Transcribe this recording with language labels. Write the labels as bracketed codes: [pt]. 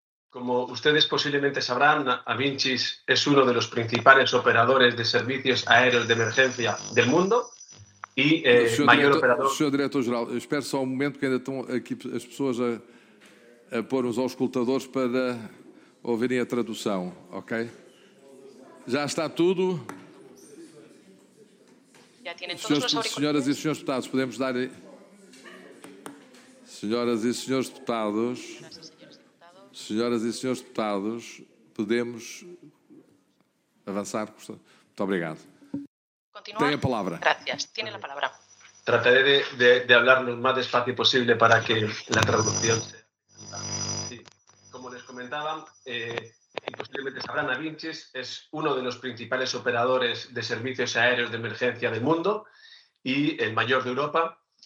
[es] Como ustedes posiblemente sabrán, Avincis es uno de los principales operadores de servicios aéreos de emergencia del mundo y [pt] Sr. Diretor-Geral, espero só um momento que ainda estão aqui as pessoas a pôr os auscultadores para ouvirem a tradução, ok? Já está tudo? Senhoras e senhores deputados, podemos dar... Senhoras e senhores deputados... Senhoras e senhores deputados, podemos avançar? Muito obrigado. Continuar. Tenha a palavra. [es] Gracias. Tiene la palabra. Trataré de hablar lo más despacio posible para que la traducción sea. Sí. Como les comentaba, posiblemente sabrán, Avincis es uno de los principales operadores de servicios aéreos de emergencia del mundo y el mayor de Europa.